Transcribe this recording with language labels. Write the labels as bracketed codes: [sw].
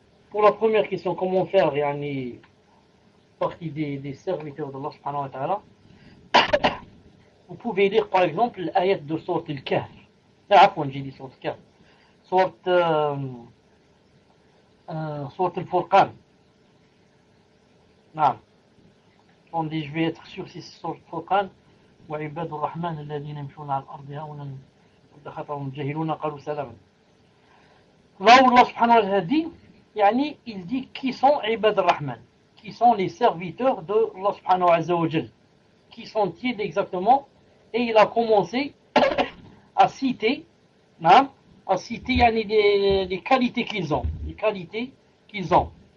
[fr] Pour la première question, comment faire yani, partie des serviteurs d'Allah subhanahu wa ta'ala, vous pouvez lire par exemple l'ayat de Sourate Al-Kahf. Ah, quand j'ai dit Sourate Al-Kahf. Sourate Al-Furqan. Non. Attendez, je vais être sûr si c'est Sourate Al-Furqan. [ar] وعباد الرحمن الذين يمشون على الأرض هونا وإذا خاطبهم الجاهلون قالوا سلاما. [fr] Là où Allah subhanahu wa ta'ala dit, يعني, il dit qui sont عباد الرحمن, qui sont les serviteurs de Allah subhanahu wa ta'ala, qui sont-ils exactement? Et il a commencé à citer, non, à citer يعني, les qualités qu'ils ont, les qualités qu'ils ont.